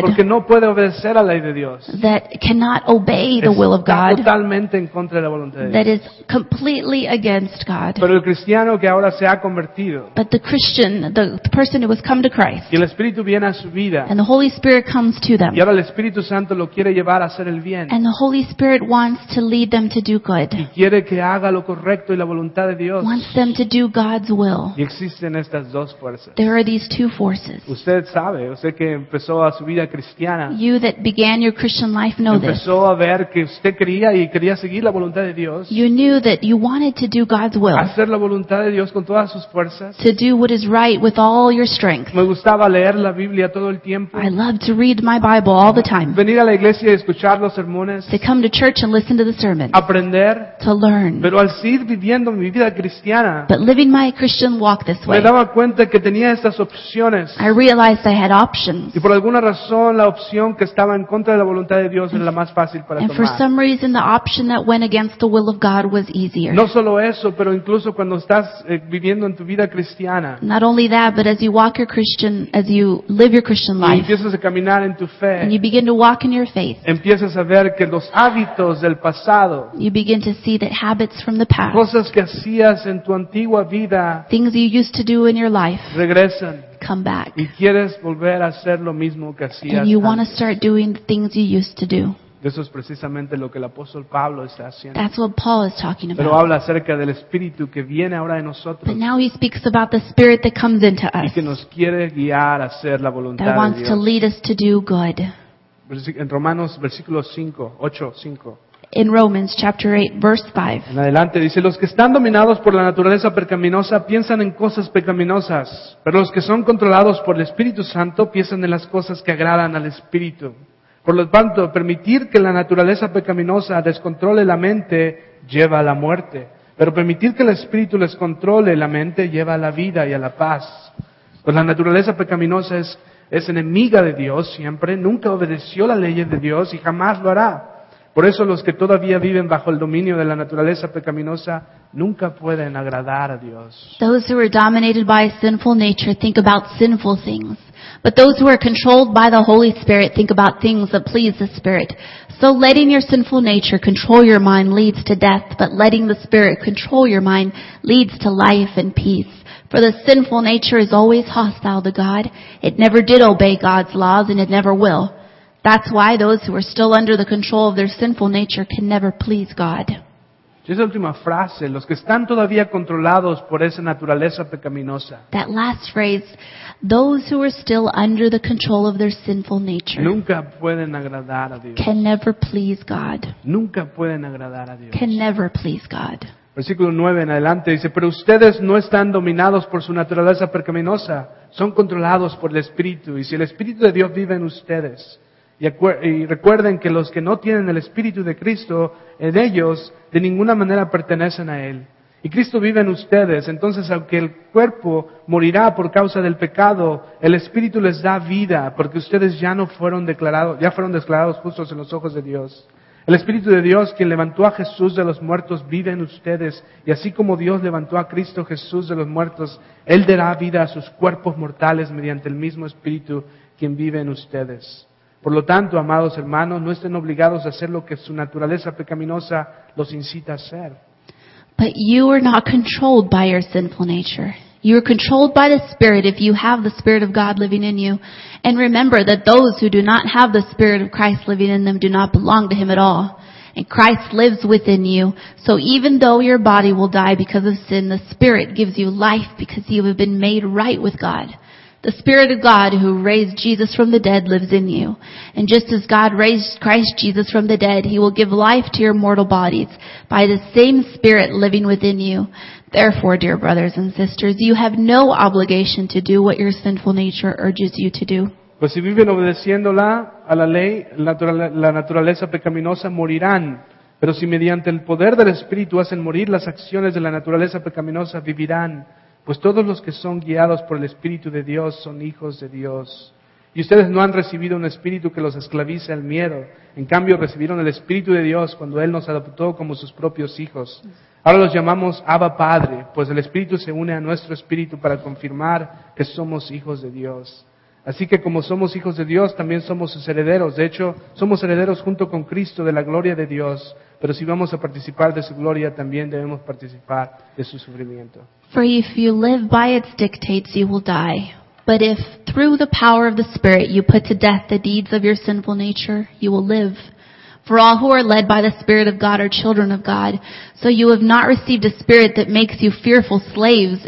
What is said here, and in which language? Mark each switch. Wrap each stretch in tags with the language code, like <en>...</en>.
<es>Porque no puede obedecer a la ley de Dios.</es> <en>That cannot obey the will of God.</en> <es>Está totalmente en contra de la voluntad de Dios.</es> <en>That is completely against God.</en> <es>Pero el cristiano que ahora se ha convertido.</es> <en>But the Christian, the person who has come to Christ.</en> <es>Y el Espíritu viene a su vida.</es> <en>And the Holy Spirit comes to them.</en> <es>Y ahora el Espíritu Santo lo quiere llevar a hacer el bien.</es> <en>And the Holy Spirit wants to lead them to do good.</en> <es>Y quiere que haga lo correcto y la voluntad de Dios.</es> <en>Wants them to do God's will.</en> <es>Y existen estas dos fuerzas.</es> <en>There are these two forces.</en> <es>Usted sabe, usted que empezó a su vida cristiana.</es> <en>You that began your Christian life know</en> <es>empezó</es> <en>this.</en> <es>Empezó a ver que usted quería y quería seguir la voluntad de Dios.</es> <en>You knew that you wanted to do God's will.</en> <es>Hacer la voluntad de Dios con todas sus fuerzas.</es> <en>To do what is right with all your strength.</en> <es>Me gustaba leer la Biblia todo el tiempo.</es> <en>I loved to read my Bible all the time.</en> <es>Venir a la iglesia y escuchar los sermones,</es> <en>to come to church and listen to the sermons.</en> <es>Aprender,</es> <en>to learn.</en> <es>Pero al seguir viviendo mi vida cristiana,</es> <en>but living my Christian walk this way,</en> <es>me daba cuenta que tenía estas opciones.</es> <en>I realized I had options.</en> <es>Y por alguna razón, la opción que estaba en contra de la voluntad de Dios era la más fácil para</es> <en>and</en> <es>tomar.</es> <en>And for some reason, the option that went against the will of God was easier.</en> <es>No solo eso, pero incluso cuando estás viviendo en tu vida cristiana,</es> <en>not only that, but as you walk your Christian, as you live your Christian life,</en> <es>y empiezas a caminar en tu fe,</es> <en>and you begin to walk in your faith,</en> <es>empiezas a ver que los hábitos del pasado,</es> <en>you begin to see that habits from the past,</en> <es>cosas que hacías en tu antigua vida,</es> <en>things you used to do in your life,</en> <es>regresan,</es> <en>come back,</en> <es>y quieres volver a hacer lo mismo que hacías antes.</es> <en>And you want to start doing the things you used to do.</en> <es>Eso es precisamente lo que el apóstol Pablo está haciendo.</es> <en>That's what Paul is talking about.</en> <es>Pero habla acerca del Espíritu que viene ahora de nosotros.</es> <en>But now he speaks about the Spirit that comes into us.</en> <es>Y que nos quiere guiar a hacer la voluntad de Dios.</es> <en>That wants to lead us to do good.</en> <es>En Romanos, versículo 8:5.</es> <en>In Romans chapter 8, verse 5.</en> <es>En adelante dice, los que están dominados por la naturaleza pecaminosa piensan en cosas pecaminosas, pero los que son controlados por el Espíritu Santo piensan en las cosas que agradan al Espíritu. Por lo tanto, permitir que la naturaleza pecaminosa descontrole la mente lleva a la muerte, pero permitir que el Espíritu les controle la mente lleva a la vida y a la paz. Pues la naturaleza pecaminosa es enemiga de Dios siempre, nunca obedeció la ley de Dios y jamás lo hará. Por eso los que todavía viven bajo el dominio de la naturaleza pecaminosa nunca pueden agradar a Dios.</es> <en>Those who are dominated by a sinful nature think about sinful things. But those who are controlled by the Holy Spirit think about things that please the Spirit. So letting your sinful nature control your mind leads to death, but letting the Spirit control your mind leads to life and peace. For the sinful nature is always hostile to God. It never did obey God's laws, and it never will. That's why those who are still under the control of their sinful nature can never please God.</en> <es>Esa última frase, los que están todavía controlados por esa naturaleza pecaminosa.</es> <en>That last phrase, those who are still under the control of their sinful nature.</en> <es>Nunca pueden agradar a Dios.</es> <en>Can never please God.</en> <es>Nunca pueden agradar a Dios.</es> <en>Can never please God.</en> <es>Versículo 9 en adelante dice, pero ustedes no están dominados por su naturaleza pecaminosa, son controlados por el Espíritu. Y si el Espíritu de Dios vive en ustedes, y recuerden que los que no tienen el Espíritu de Cristo en ellos, de ninguna manera pertenecen a Él. Y Cristo vive en ustedes, entonces aunque el cuerpo morirá por causa del pecado, el Espíritu les da vida, porque ustedes ya no fueron declarados, ya fueron declarados justos en los ojos de Dios. El Espíritu de Dios, quien levantó a Jesús de los muertos, vive en ustedes. Y así como Dios levantó a Cristo Jesús de los muertos, Él dará vida a sus cuerpos mortales mediante el mismo Espíritu quien vive en ustedes. Por lo tanto, amados hermanos, no estén obligados a hacer lo que su naturaleza pecaminosa los incita a hacer.</es> <en>But you are not controlled by your sinful nature. You are controlled by the Spirit if you have the Spirit of God living in you. And remember that those who do not have the Spirit of Christ living in them do not belong to Him at all. And Christ lives within you. So even though your body will die because of sin, the Spirit gives you life because you have been made right with God. The Spirit of God who raised Jesus from the dead lives in you. And just as God raised Christ Jesus from the dead, He will give life to your mortal bodies by the same Spirit living within you. Therefore, dear brothers and sisters, you have no obligation to do what your sinful nature urges you to do.</en> <es>Pues si viven obedeciéndola a la ley, la naturaleza pecaminosa morirán. Pero si mediante el poder del Espíritu hacen morir las acciones de la naturaleza pecaminosa, vivirán. Pues todos los que son guiados por el Espíritu de Dios son hijos de Dios. Y ustedes no han recibido un Espíritu que los esclavice al miedo. En cambio, recibieron el Espíritu de Dios cuando Él nos adoptó como sus propios hijos. Ahora los llamamos Abba Padre, pues el Espíritu se une a nuestro Espíritu para confirmar que somos hijos de Dios. Así que como somos hijos de Dios, también somos sus herederos. De hecho, somos herederos junto con Cristo de la gloria de Dios. Pero si vamos a participar de su gloria, también debemos participar de su sufrimiento.</es> <en>For if you live by its dictates, you will die. But if through the power of the Spirit you put to death the deeds of your sinful nature, you will live. For all who are led by the Spirit of God are children of God. So you have not received a spirit that makes you fearful slaves.</en>